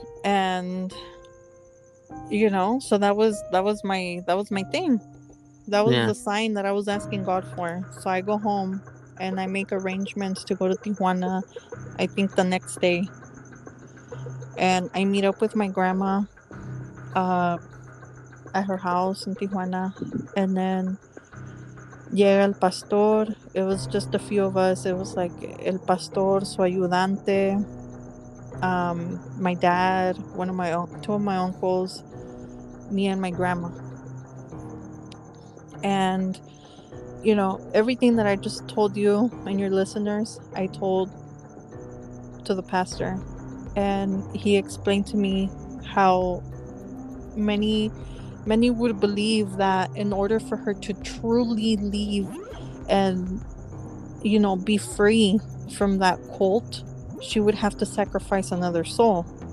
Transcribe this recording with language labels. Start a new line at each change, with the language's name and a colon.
English: And you know, so that was my thing. That was the sign that I was asking God for. So I go home and I make arrangements to go to Tijuana, I think the next day. And I meet up with my grandma at her house in Tijuana. And then
Spanish: llega el pastor.
English: It was just a few of us. It was like
Spanish: el pastor, su ayudante,
English: my dad, two of my uncles, me and my grandma. And you know, everything that I just told you and your listeners, I told to the pastor, and he explained to me how many would believe that in order for her to truly leave and, you know, be free from that cult, she would have to sacrifice another soul.